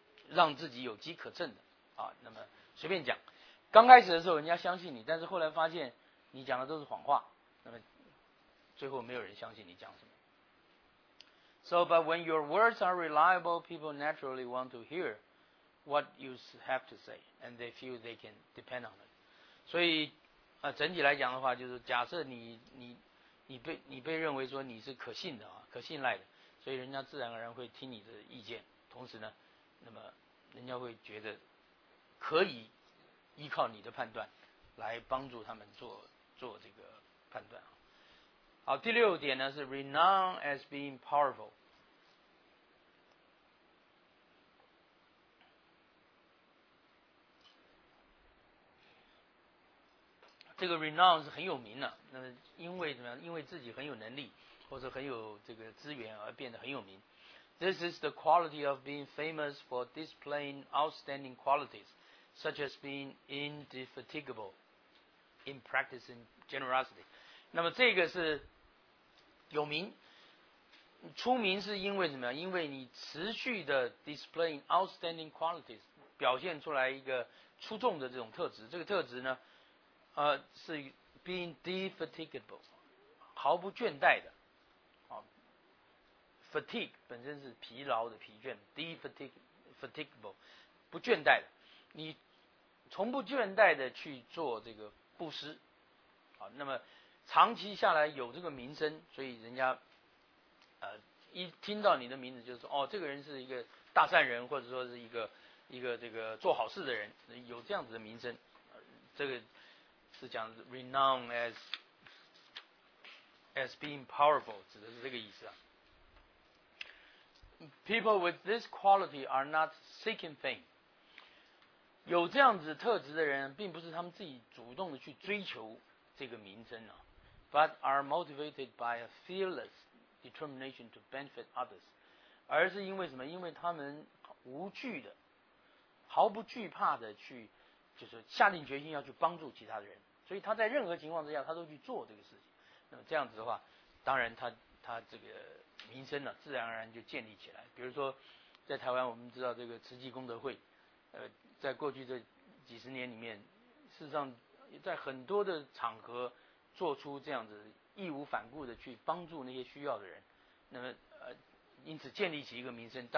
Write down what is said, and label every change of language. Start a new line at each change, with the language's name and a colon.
Chinese: 让自己有机可乘的啊，那么随便讲，刚开始的时候人家相信你，但是后来发现你讲的都是谎话，那么最后没有人相信你讲什么。
English: So, but when your words are reliable, people naturally want to hear what you have to say, and they feel they can depend on it.
Chinese: 所以啊，整体来讲的话，就是假设你被认为说你是可信的啊，可信赖的，所以人家自然而然会听你的意见，同时呢。那么人家会觉得可以依靠你的判断来帮助他们做这个判断。好，第六点呢是
English: renown as being powerful。
Chinese: 这个 renown 是很有名的，那么因为怎么样，因为自己很有能力或者很有这个资源而变得很有名。
English: This is the quality of being famous for displaying outstanding qualities, such as being indefatigable in practicing generosity.
Chinese: 那么这个是有名，出名是因为什么？因为你持续的
English: displaying outstanding qualities,
Chinese: 表现出来一个出众的这种特质。这个特质呢，是
English: being indefatigable,
Chinese: 毫不倦怠的。 Fatigue 本身是疲劳的、疲倦 ，defatigable 不倦怠的，你从不倦怠的去做这个布施，好，那么长期下来有这个名声，所以人家一听到你的名字就说哦，这个人是一个大善人，或者说是一个这个做好事的人，有这样子的名声，这个是讲
English: renown as as being powerful,
Chinese: 指的是这个意思啊。
English: People with this quality are not seeking fame.
Chinese: 有这样子特质的人，并不是他们自己主动的去追求这个名声啊。
English: But are motivated by a fearless determination to benefit others.
Chinese: 而是因为什么？因为他们无惧的，毫不惧怕的去，就是下定决心要去帮助其他的人。所以他在任何情况之下，他都去做这个事情。那么这样子的话，当然他这个名声呢，自然而然就建立起来。比如说，在台湾，我们知道这个慈济功德会，在过去这几十年里面，事实上在很多的场合做出这样子义无反顾的去帮助那些需要的人，那么因此建立起一个名声。